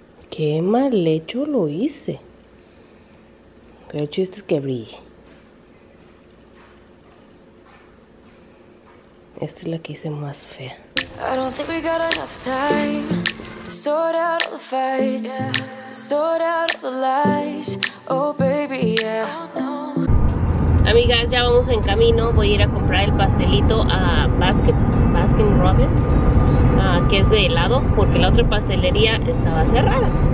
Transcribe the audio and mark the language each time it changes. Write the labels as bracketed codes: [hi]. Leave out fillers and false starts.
[es] Qué mal hecho lo hice. Pero el chiste es que brille. Esta es la que hice más fea. [en] I don't think we got enough time to sort out all the fights, to sort out all the lies. Oh baby, yeah. [es] Amigas, ya vamos en camino. Voy a ir a comprar el pastelito a Baskin Robbins, que es de helado, porque la otra pastelería estaba cerrada.